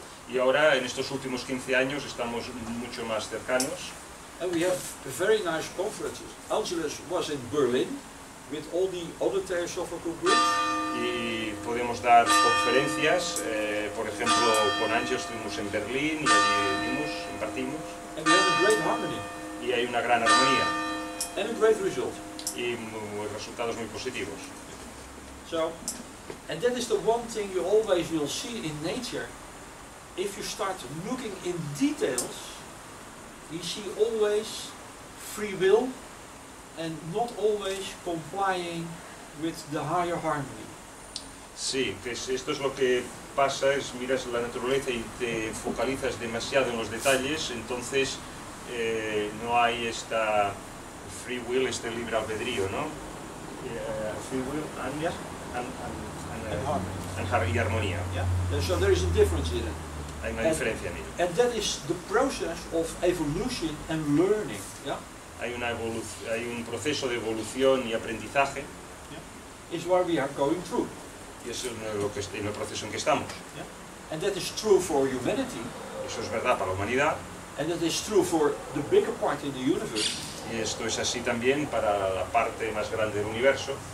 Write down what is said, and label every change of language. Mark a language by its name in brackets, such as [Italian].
[Spanish] Y ahora, en estos últimos 15 años, estamos mucho más cercanos. [English] And we have very nice conferences. Angelus was in Berlin with all the other theosophical groups. [Spanish] Y podemos dar conferencias, por ejemplo, con Angelus estuvimos en Berlín y allí vimos, impartimos. [English] And we had a great harmony. [Spanish] Y hay una gran armonía. [English] And a great result. [Spanish] Y resultados muy positivos. [English] So, and that is the one thing you always will see in nature. If you start looking in details, you see always free will and not always complying with the higher harmony. [Spanish] Sí, pues esto es lo que pasa, es miras la naturaleza y te focalizas demasiado en los detalles, entonces no hay esta [English] free will, [Spanish] este libre albedrío, ¿no? [English] Free will and, yeah, and harmony. [Spanish] Y armonía. [English] Yeah. So there is a difference here. [Spanish] Hay una diferencia en ello. [English] And that is the process of evolution and learning. Yeah? [Spanish] Hay un proceso de evolución y aprendizaje. [English] Yeah? It's what we are going through. [Spanish] Y eso es en el proceso en que estamos. [English] Yeah? And that is true for humanity. [Spanish] Eso es verdad para la humanidad. [English] And that is true for the bigger part in the universe. [Spanish] Y esto es así también para la parte más grande del universo.